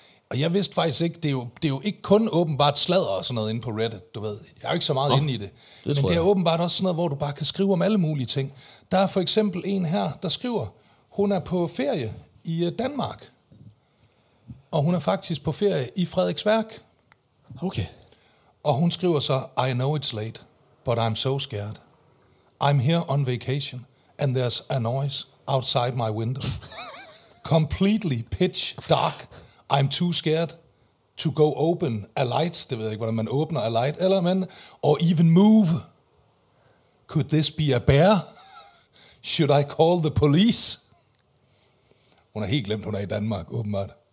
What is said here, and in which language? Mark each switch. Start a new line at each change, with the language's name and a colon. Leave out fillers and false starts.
Danish: Og jeg vidste faktisk ikke, det er jo ikke kun åbenbart sladder og sådan noget inde på Reddit, du ved. Jeg er jo ikke så meget inde i det. Men det er åbenbart også sådan noget, hvor du bare kan skrive om alle mulige ting. Der er for eksempel en her, der skriver, hun er på ferie i Danmark. Og hun er faktisk på ferie i Frederiksværk. Okay. Og hun skriver så,
English: I know it's late, but I'm so scared. I'm here on vacation, and there's a noise outside my window. Completely pitch dark. I'm too scared to go open a light.
Danish: Det ved jeg ikke, hvordan man åbner
English: a light.
Danish: Eller man,
English: or even move. Could this be a bear? Should I call the police?
Danish: Hun har helt glemt, hun er i Danmark, åbenbart.